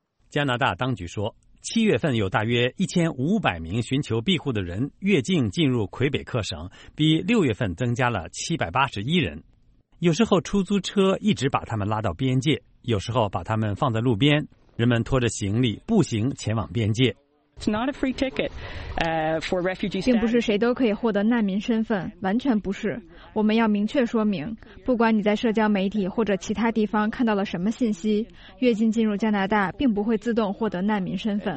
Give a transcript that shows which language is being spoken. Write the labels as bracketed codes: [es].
[zh] 加拿大当局说，七月份有大约1500名寻求庇护的人越境进入魁北克省，比六月份增加了781人。有时候出租车一直把他们拉到边界，有时候把他们放在路边，人们拖着行李步行前往边界。 [en] It's not a free ticket for refugee status. [zh] 并不是谁都可以获得难民身份，完全不是。我们要明确说明，不管你在社交媒体或者其他地方看到了什么信息，越境进入加拿大并不会自动获得难民身份。